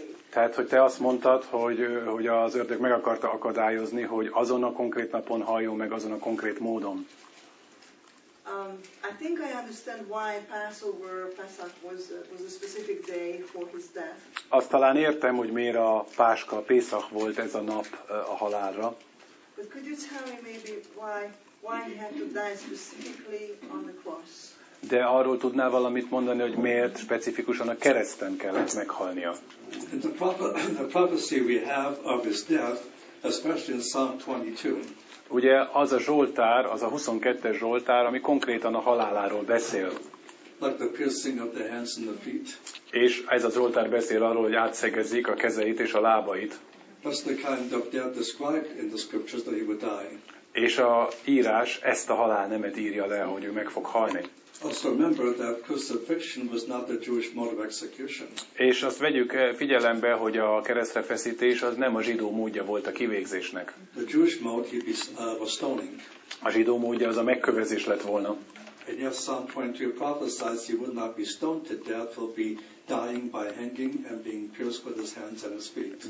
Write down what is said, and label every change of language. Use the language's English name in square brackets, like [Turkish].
[Hungarian] Tehát, hogy te azt mondtad, hogy az ördög meg akarta akadályozni, hogy azon a konkrét napon halljon meg azon a konkrét módon. [English] I think I understand why Pesach was a specific day for his death. [Hungarian] Azt talán értem, hogy miért a Páska, Pészach volt ez a nap a halálra. [English] But could you tell me maybe why he had to die specifically on the cross? [Hungarian] De arról tudnál valamit mondani, hogy miért specifikusan a kereszten kellett meghalnia? [English] In the prophecy we have of his death, especially in Psalm 22. [Hungarian] Ugye az a Zsoltár, az a 22-es Zsoltár, ami konkrétan a haláláról beszél. [English] Like the piercing of the hands and the feet. [Hungarian] És ez a Zsoltár beszél arról, hogy átszegezik a kezeit és a lábait. [English] That's the kind of death described in the scriptures that he would die. [Hungarian] És a írás ezt a halálnemet írja le, hogy ő meg fog halni. [English] Also remember that crucifixion was not the Jewish mode of execution. [Hungarian] És azt vegyük figyelembe, hogy a keresztre feszítés az nem a zsidó módja volt a kivégzésnek. [English] The Jewish mode was stoning. [Hungarian] A zsidó módja az a megkövezés lett volna. [English] And yet Psalm 22 prophesies he would not be stoned to death, he'll be dying by hanging and being pierced with his hands and his feet.